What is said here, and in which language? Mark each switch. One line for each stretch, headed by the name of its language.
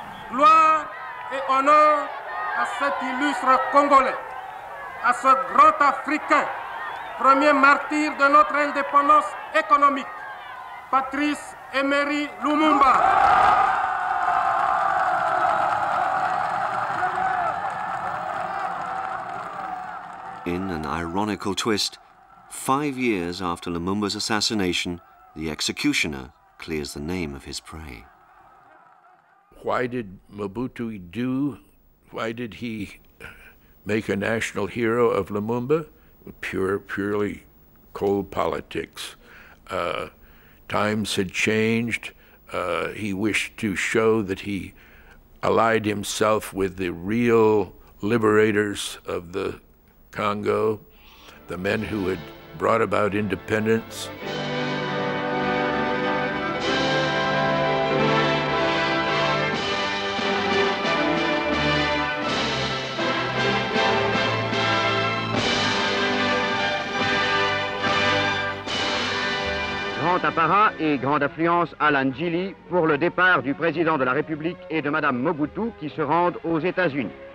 French: Gloire et honneur à cet illustre Congolais, à ce grand Africain, premier martyr de notre indépendance économique, Patrice Emery Lumumba.
English: In an ironical twist, 5 years after Lumumba's assassination, the executioner clears the name of his prey. Why did Mobutu do? Why did he make a national hero of Lumumba? Purely cold politics. Times had changed. He wished to show that he allied himself with the real liberators of the Congo, the men who had brought about independence.
French: Grand apparat et grande affluence à l'Anjili pour le départ du président de la République et de Madame Mobutu qui se rendent aux États-Unis.